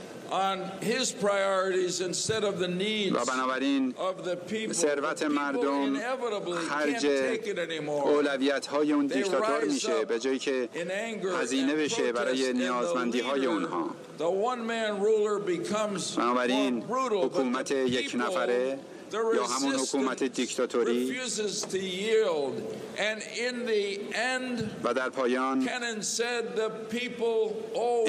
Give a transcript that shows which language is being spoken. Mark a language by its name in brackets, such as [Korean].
[English] on his priorities instead of the needs of the people. [Persian] ثروت مردم خرج اولویت‌های اون دیکتاتور میشه به جایی که هزینه بشه برای نیازمندی‌های اونها. [English] The one man ruler becomes brutal. [Persian] حکومت یک نفره یا همون حکومت دیکتاتوری [English] refuses to yield. And in the end, [Persian] و در پایان [English] Cannon said the people always